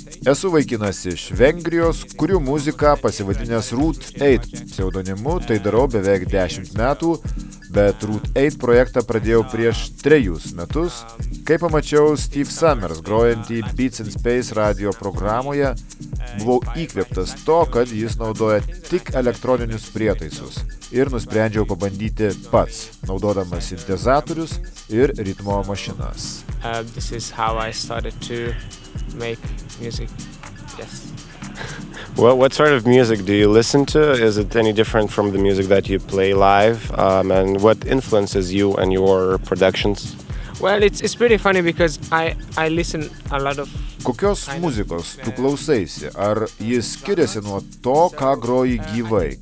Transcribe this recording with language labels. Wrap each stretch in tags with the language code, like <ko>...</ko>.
<lt>Esu vaikinas iš Vengrijos, kuriu muziką pasivadinęs Root 8 pseudonimu, tai darau beveik 10 metų, bet Root 8 projektą pradėjau prieš 3 metus, kai pamačiau Steve Summers grojantį Beats in Space radio programoje, buvau įkvėptas to, kad jis naudoja tik elektroninius prietaisus ir nusprendžiau pabandyti pats, naudodamas sintezatorius ir ritmo mašinas.</lt> <en>This is how I started to make music. Yes. Well, what sort of music do you listen to? Is it any different from the music that you play live? And what influences you and your productions? Well, it's pretty funny because I listen a lot of.</en> <lt>Kokios muzikos tu klausaisi? Ar jis skiriasi nuo to, ką groji gyvai?</lt>